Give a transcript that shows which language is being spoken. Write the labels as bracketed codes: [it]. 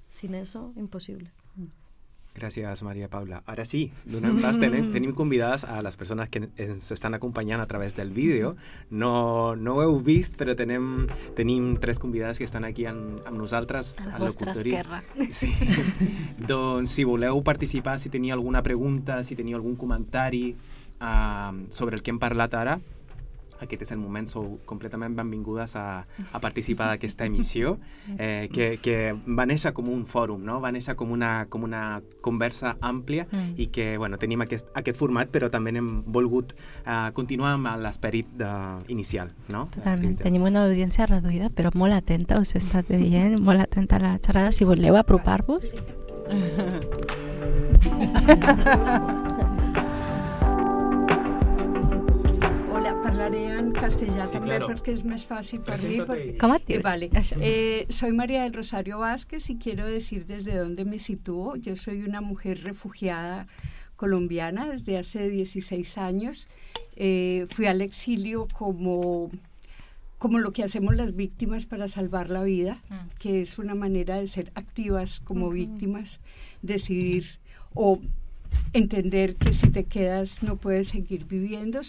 [es] Sin eso, imposible. Gracias, María Paula. Ahora sí, d'una vez tenemos convidadas a las personas que se están acompañando a través del vídeo. No, no he visto, pero tenemos tres convidadas que están aquí [ca] amb nosaltres, [es] a nosotras. A vuestra esquerra. Sí. [ca] Doncs, si voleu participar, si teniu alguna pregunta, si teniu algun comentari sobre el que hem parlat ara, aquest és el moment. Sou completament benvingudes a participar d'aquesta emissió, que va néixer com un fòrum, no? Va néixer com una conversa àmplia, i que, bueno, tenim aquest format, però també hem volgut continuar amb l'esperit inicial, no? Totalment. Tenim una audiència reduïda, però molt atenta, us he estat dient, molt atenta a la xerrada. Si voleu apropar-vos. En castellà, sí, també, claro. Perquè és més fàcil per mi. Perquè... Com et dius? Vale. [es] Soy María del Rosario Vázquez y quiero decir desde dónde me sitúo. Yo soy una mujer refugiada colombiana desde hace 16 años. Fui al exilio como lo que hacemos las víctimas para salvar la vida, que es una manera de ser activas como víctimas, decidir o entender que si te quedas no puedes seguir viviendo.